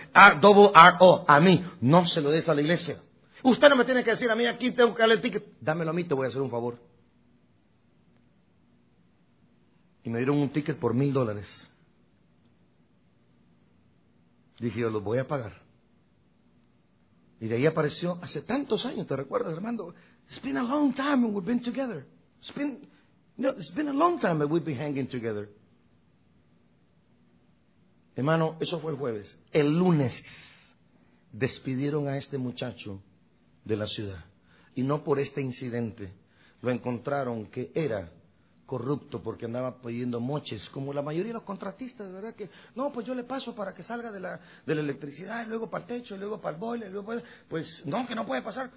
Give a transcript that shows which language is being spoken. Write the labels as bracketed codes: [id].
[es] R-O-R-O, a mí. No se lo des a la iglesia. Usted no me tiene que decir a mí, aquí tengo que darle el ticket. Dámelo a mí, te voy a hacer un favor. Y me dieron un ticket por $1,000. Dije, yo lo voy a pagar. Y de ahí apareció hace tantos años, ¿te recuerdas, Armando? [en] It's been a long time when we've been together. It's been a long time that we've been hanging together. [es] Hermano, eso fue el jueves. El lunes despidieron a este muchacho de la ciudad. Y no por este incidente. Lo encontraron que era corrupto porque andaba pidiendo moches, como la mayoría de los contratistas, de verdad que no, pues yo le paso para que salga de la electricidad, y luego para el techo, y luego para el boiler, y luego para el, pues no, que no puede pasar.